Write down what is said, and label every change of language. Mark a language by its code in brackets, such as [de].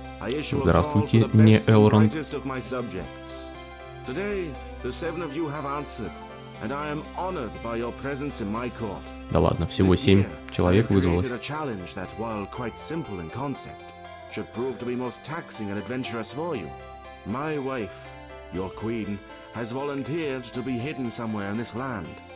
[ru] Здравствуйте, не Элронд. [en] Today, the seven of you have answered, and I am honored by your presence in my court. [ru] Да ладно, всего семь человек вызвалось. [en] This year, I have created a challenge that, while quite simple in concept, should prove to be most taxing and adventurous for you. My wife, your queen, has volunteered to be hidden somewhere in this land.